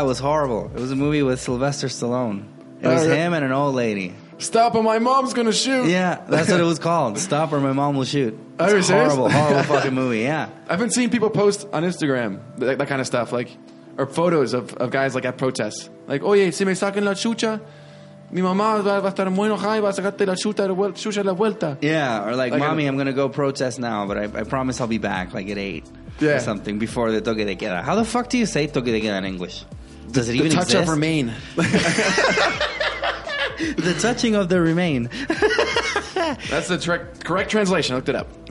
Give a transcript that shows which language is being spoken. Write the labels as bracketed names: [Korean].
[English] It was horrible. It was a movie with Sylvester Stallone. It was him and an old lady. Stop, or my mom's gonna shoot. Yeah, that's what it was called. Stop, or my mom will shoot. It's a horrible, horrible fucking movie, yeah. I've been seeing people post on Instagram that kind of stuff, like, or photos of guys, like, at protests. Like, [Spanish] oye, si me sacan la chucha... Mi mamá va a estar muy enojada y va a sacarte la chucha de la vuelta. [English] Yeah, or like mommy, I'm going to go protest now, but I promise I'll be back, like, at 8 or something before the [Spanish] toque de queda. [English] How the fuck do you say [Spanish] toque de queda [English] in English? Does it even exist? The touch of remain. The touching of the remain. That's the correct translation. I looked it up.